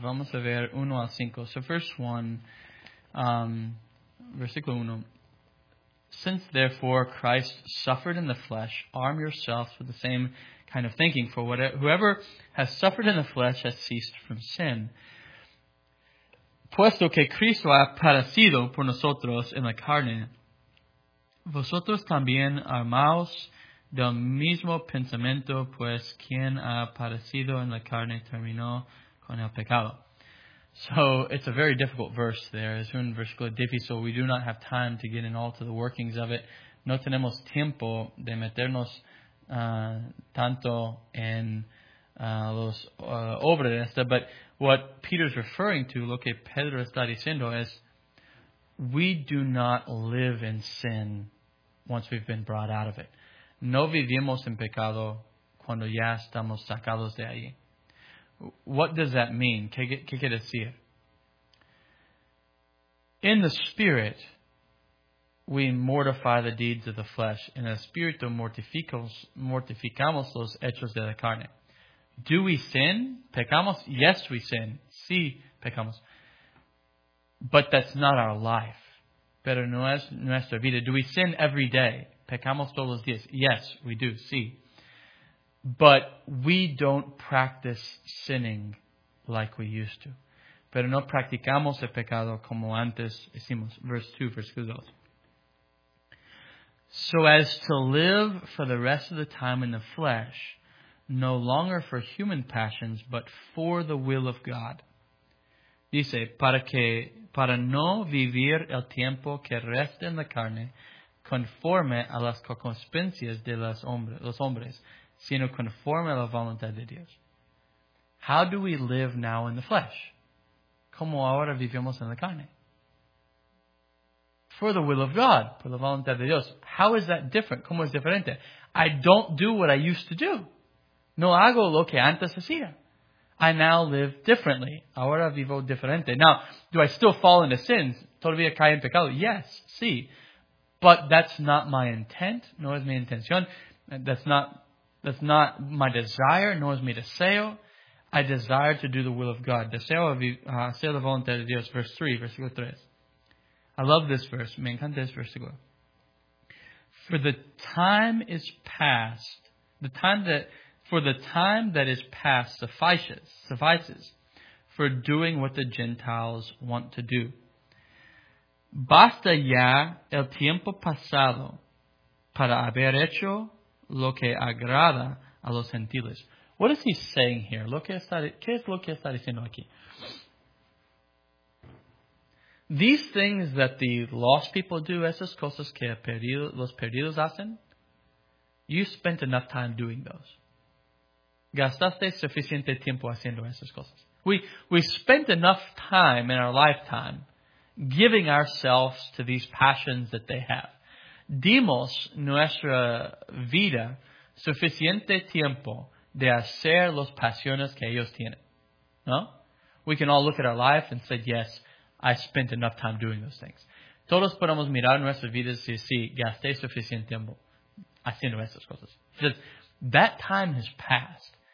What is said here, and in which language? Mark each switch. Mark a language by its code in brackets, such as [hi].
[es] Vamos a ver 1 al 5. [en] So first one, [es] versículo 1. [en] Since therefore Christ suffered in the flesh, arm yourselves with the same kind of thinking. For whoever has suffered in the flesh has ceased from sin. [es] Puesto que Cristo ha padecido por nosotros en la carne, vosotros también armaos del mismo pensamiento, pues quien ha padecido en la carne terminó con el pecado. [en] So, it's a very difficult verse there. [es] Es un versículo difícil. [en] We do not have time to get in all to the workings of it. [es] No tenemos tiempo de meternos tanto en los obras de esta. [en] But what Peter's referring to, [es] lo que Pedro está diciendo, [en] is we do not live in sin once we've been brought out of it. [es] No vivimos en pecado cuando ya estamos sacados de allí. [en] What does that mean? [es] ¿Qué quiere decir? [en] In the spirit, we mortify the deeds of the flesh. [es] En el espíritu mortificamos los hechos de la carne. [en] Do we sin? [es] ¿Pecamos? [en] Yes, we sin. [es] Sí, pecamos. [en] But that's not our life. [es] Pero no es nuestra vida. [en] Do we sin every day? [es] ¿Pecamos todos los días? [en] Yes, we do. Sí. But we don't practice sinning like we used to. [es] Pero no practicamos el pecado como antes hicimos. [en] Verse 2, versículo 2. So as to live for the rest of the time in the flesh, no longer for human passions, but for the will of God. [es] Dice, para no vivir el tiempo que resta en la carne, conforme a las concupiscencias de los hombres. Sino conforme a la voluntad de Dios. [en] How do we live now in the flesh? [es] ¿Cómo ahora vivimos en la carne? [en] For the will of God, [es] por la voluntad de Dios. [en] How is that different? [es] ¿Cómo es diferente? [en] I don't do what I used to do. [es] No hago lo que antes hacía. [en] I now live differently. [es] Ahora vivo diferente. [en] Now, do I still fall into sins? [es] ¿Todavía caigo en pecado? [en] Yes, sí. But that's not my intent. [es] No es mi intención. [en] That's not my desire, nor is [es] mi deseo. [en] I desire to do the will of God. [es] Deseo hacer la voluntad de Dios. [en] Verse 3. I love this verse. [es] Me encanta este versículo. [en] For the time is past, the time that is past suffices for doing what the Gentiles want to do. [es] Basta ya el tiempo pasado para haber hecho lo que agrada a los gentiles. [en] What is he saying here? [es] ¿Qué es lo que está diciendo aquí? [en] These things that the lost people do, [es] esas cosas que los perdidos hacen, [en] you spent enough time doing those. [es] Gastaste suficiente tiempo haciendo esas cosas. [en] We spent enough time in our lifetime giving ourselves to these passions that they have. [es] Dimos nuestra vida suficiente tiempo de hacer las pasiones que ellos tienen. ¿No? [en] We can all look at our life and say, yes, I spent enough time doing those things. [es] Todos podemos mirar nuestras vidas y decir, gasté suficiente tiempo haciendo esas cosas. [en] He says, that time has passed.